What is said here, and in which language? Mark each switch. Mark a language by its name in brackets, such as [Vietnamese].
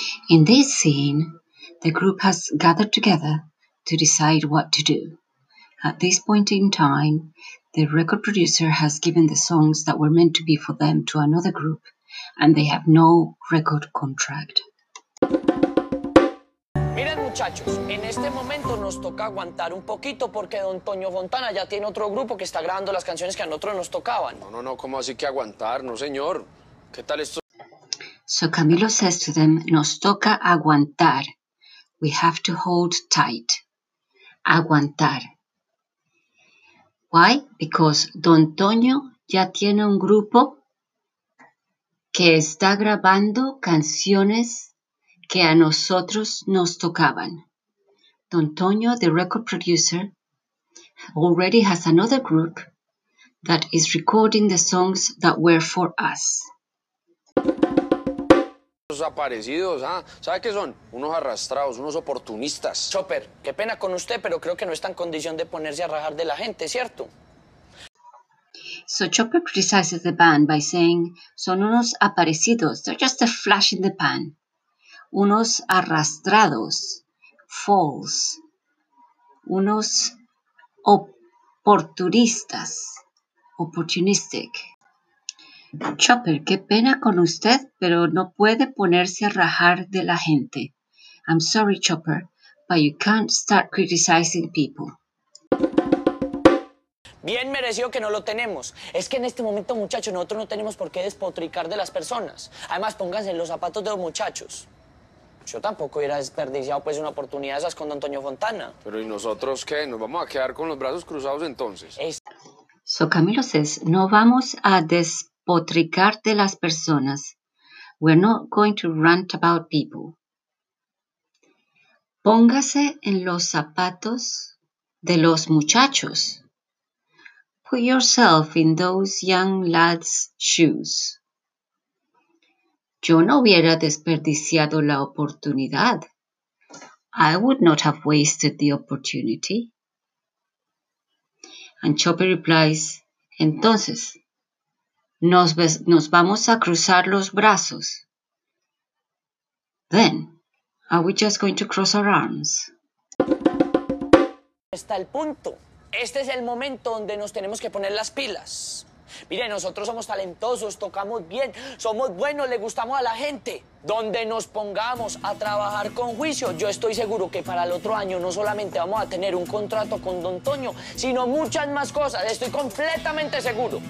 [English] In this scene, the group has gathered together to decide what to do. At this point in time, the record producer has given the songs that were meant to be for them to another group, and they have no record contract. [Spanish] Miren, muchachos, en este momento nos toca aguantar un poquito porque Don Toño Fontana ya tiene otro grupo que está grabando las canciones que a nosotros nos tocaban. No, ¿cómo así que aguantar? No, señor. ¿Qué tal esto? [English] So Camilo says to them, [Spanish] nos toca aguantar. [English] We have to hold tight. Aguantar. Why? [Spanish] Because Don Toño ya tiene un grupo que está grabando canciones que a nosotros nos tocaban. [English] Don Toño, the record producer, already has another group that is recording the songs that were for us. [Spanish] Aparecidos, ¿ah? ¿Sabe qué son? Unos arrastrados, unos oportunistas. Chopper, qué pena con usted, pero creo que no está en condición de ponerse a rajar de la gente, ¿cierto? [English] So Chopper criticizes the band by saying, [Spanish] son unos aparecidos, [English] they're just a flash in the pan. [Spanish] Unos arrastrados, [English] false. [Spanish] Unos oportunistas, [English] opportunistic. [Spanish] Chopper, qué pena con usted, pero no puede ponerse a rajar de la gente. [English] I'm sorry, Chopper, but you can't start criticizing people. [Spanish] Bien merecido que no lo tenemos. Es que en este momento, muchachos, nosotros no tenemos por qué despotricar de las personas. Además, pónganse en los zapatos de los muchachos. Yo tampoco hubiera desperdiciado pues una oportunidad de esas con Don Toño Fontana. Pero ¿y nosotros qué? ¿Nos vamos a quedar con los brazos cruzados entonces? [English] So Camilo says, [Spanish] no vamos a despotricar de las personas. [English] We're not going to rant about people. [Spanish] Póngase en los zapatos de los muchachos. [English] Put yourself in those young lads' shoes. [Spanish] Yo no hubiera desperdiciado la oportunidad. [English] I would not have wasted the opportunity. And Chopper replies, [Spanish] entonces, nos vamos a cruzar los brazos. [English] Then, are we just going to cross our arms? [Spanish] Está el punto. Este es el momento donde nos tenemos que poner las pilas. Mire, nosotros somos talentosos, tocamos bien, somos buenos, le gustamos a la gente. Donde nos pongamos a trabajar con juicio, yo estoy seguro que para el otro año no solamente vamos a tener un contrato con Don Toño, sino muchas más cosas, estoy completamente seguro.